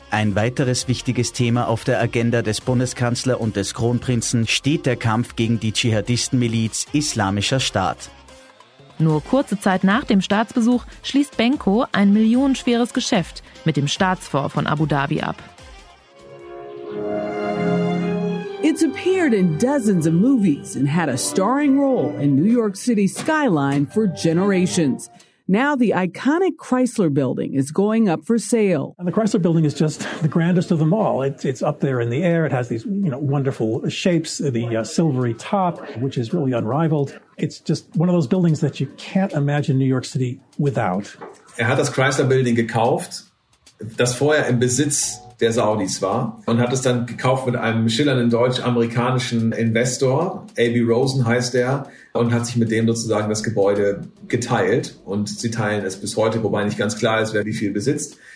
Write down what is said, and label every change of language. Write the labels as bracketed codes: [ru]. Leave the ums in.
[de] Ein weiteres wichtiges Thema auf der Agenda des Bundeskanzlers und des Kronprinzen steht der Kampf gegen die Dschihadistenmiliz Islamischer Staat. Nur kurze Zeit nach dem Staatsbesuch schließt Benko ein millionenschweres Geschäft mit dem Staatsfonds von Abu Dhabi ab. [en] It's appeared in dozens of movies and had a starring role in New York City skyline for generations. Now the iconic Chrysler building is going up for sale. And the Chrysler building is just the grandest of them all. It, it's up there in the air. It has these you know, wonderful shapes, the uh, silvery top, which is really unrivaled. It's just one of those buildings that you can't imagine New York City without. [de] Er hat das Chrysler Building gekauft, das vorher im Besitz der Saudis war, und hat es dann gekauft mit einem schillernden deutsch-amerikanischen Investor. A.B. Rosen heißt er. und hat sich mit dem sozusagen das Gebäude geteilt. Und sie teilen es bis heute, wobei nicht ganz klar ist, wer wie viel besitzt.